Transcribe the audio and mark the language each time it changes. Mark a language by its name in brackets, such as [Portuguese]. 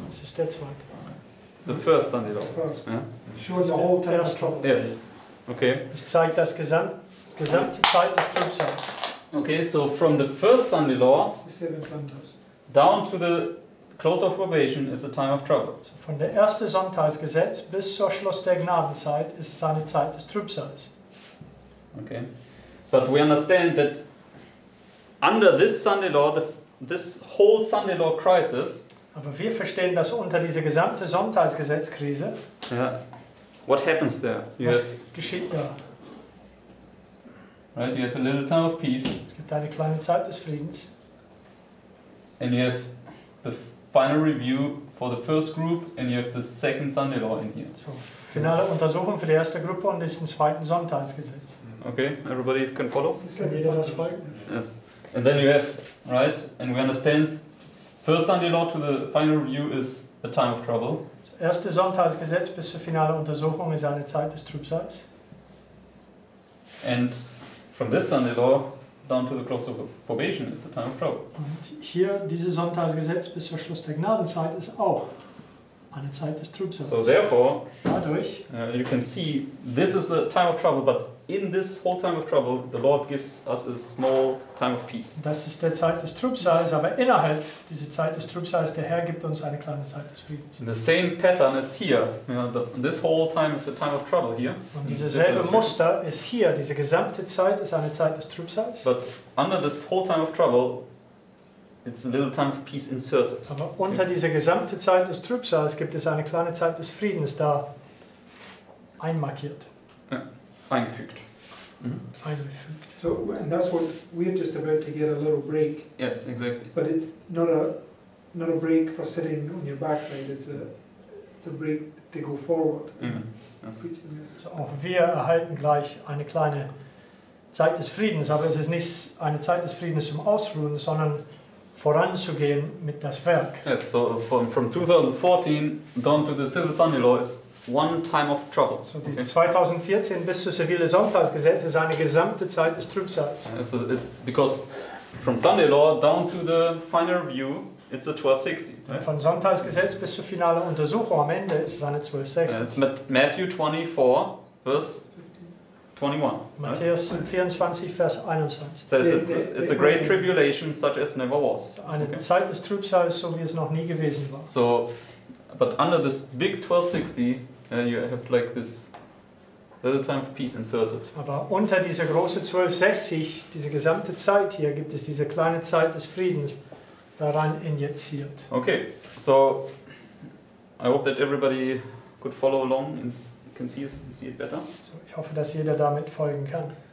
[German] Es ist der zweite. [English] It's the first Sunday law. Showing the whole time of trouble. Yes. Okay. [German] Das zeigt das gesamte Zeit des Trübsals. [English] Okay, so from the first Sunday law down to the close of probation is a time of trouble. [German] So von der erste Sonntagsgesetz bis zur Schluss der Gnadenzeit ist es eine Zeit des Trübsals. [English] Okay. But we understand that under this Sunday law, this whole Sunday law crisis. [German] Aber wir verstehen, dass unter dieser gesamte Sonntagsgesetzkrise. [English] Yeah. What happens there? [German] Geschieht da? [English] Right, you have a little time of peace. [German] Es gibt eine kleine Zeit des Friedens. [English] And you have the final review for the first group, and you have the second Sunday law in here. [German] So, finale Untersuchung für die erste Gruppe und diesen zweiten Sonntagsgesetz. [English] Okay, everybody can follow. [German] Kann jeder das folgen? [English] Yes. And then you have, right, and we understand. First Sunday law to the final review is a time of trouble. [German] Erste Sonntagsgesetz bis zur finale Untersuchung ist eine Zeit des Trübsals. [English] And from this Sunday law down to the close of probation is a time of trouble. [German] Und hier dieses Sonntagsgesetz bis zur Schluss der Gnadenzeit ist auch eine Zeit des Trübsals. [English] So therefore, [German] dadurch, [English] you can see this is a time of trouble, but in this whole time of trouble, the Lord gives us a small time of peace. [German] Das ist der Zeit des Trübsals, aber innerhalb dieser Zeit des Trübsals, der Herr gibt uns eine kleine Zeit des Friedens. [English] And the same pattern is here. You know, this whole time is a time of trouble here. [German] Und dieses selbe Muster ist hier. Diese gesamte Zeit ist eine Zeit des Trübsals. [English] But under this whole time of trouble, it's a little time of peace inserted. [German] Aber unter dieser gesamte Zeit des Trübsals gibt es eine kleine Zeit des Friedens da einmarkiert. Eingefügt. Mm-hmm. Eingefügt. [English] So, and that's what we're just about to get a little break. Yes, exactly. But it's not a break for sitting on your backside. It's a break to go forward. Mm-hmm. Yes. [German] So, auch wir erhalten gleich eine kleine Zeit des Friedens, aber es ist nicht eine Zeit des Friedens zum Ausruhen, sondern voranzugehen mit das Werk. [English] Yes. So from 2014 down to the civil Sunday law is one time of trouble. [German] So die 2014 bis zu zivile Sonntagsgesetz ist eine gesamte Zeit des Trübsals. [English] It's because from Sunday law down to the final review, it's the 1260. Right? [German] Von Sonntagsgesetz bis zur finale Untersuchung am Ende ist es eine 1260. [English] It's Matthew 24, verse 21. [German] Matthäus 24, Vers 21. [English] Says it's a great tribulation such as never was. [German] Eine Zeit des Trübsals, so wie es noch nie gewesen war. [English] So, but under this big 1260, you have like this little time of peace inserted. [German] Aber unter dieser große 1260, diese gesamte Zeit hier, gibt es diese kleine Zeit des Friedens daran injiziert. [English] Okay, so I hope that everybody could follow along and can see it better. [German] So ich hoffe, dass jeder damit folgen kann.